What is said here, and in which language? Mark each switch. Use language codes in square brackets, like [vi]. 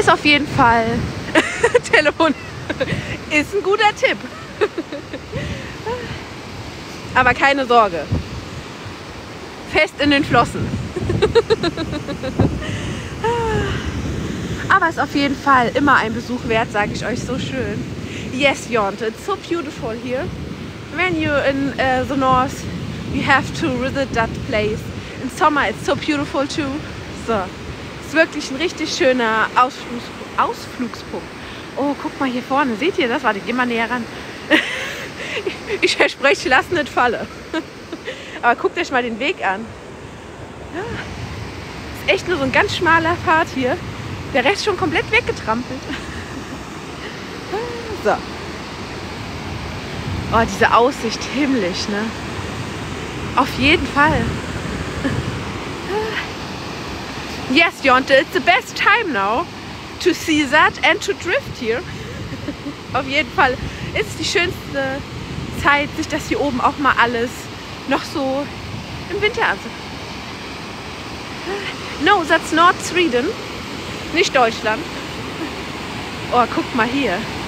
[de] Ist auf jeden Fall Telefon. Ist ein guter Tipp. Aber keine Sorge. Fest in den Flossen. Aber ist auf jeden Fall immer ein Besuch wert, sage ich euch, so schön. [en] Yes, Jonte, it's so beautiful here. When you're in the north, you have to visit that place. In summer, it's so beautiful too. [de] So, ist wirklich ein richtig schöner Ausflugspunkt. Oh, guck mal hier vorne, seht ihr das? Warte, geh mal näher ran. Ich verspreche, lass nicht falle. Aber guckt euch mal den Weg an. Ja, ist echt nur so ein ganz schmaler Pfad hier. Der Rest schon komplett weggetrampelt. So. Oh, diese Aussicht, himmlisch, ne? Auf jeden Fall. [en] Yes, Jonte, it's the best time now to see that and to drift here. [de] Auf jeden Fall ist es die schönste Zeit, sich das hier oben auch mal alles noch so im Winter anzusehen. [en] No, that's not Sweden. [de] Nicht Deutschland. Oh, guck mal hier.